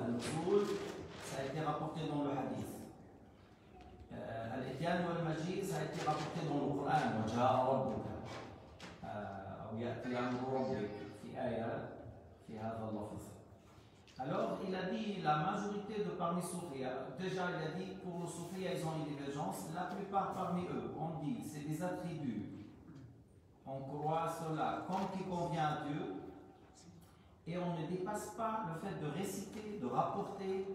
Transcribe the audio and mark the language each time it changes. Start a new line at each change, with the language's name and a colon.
French: Al-Nuzul, ça a été rapporté dans le hadith.
Arabic: الإتيان والمجيء سيأتي بقطعة من القرآن: وجاء ربك، أو يأتي أمر ربك، في آية في هذا اللفظ.
French: Alors il a dit la majorité de parmi soufis. Déjà il a dit pour les soufis ils ont une divergence. La plupart parmi eux on dit c'est des attributs. On croit cela comme qui convient à Dieu et on ne dépasse pas le fait de réciter, de rapporter.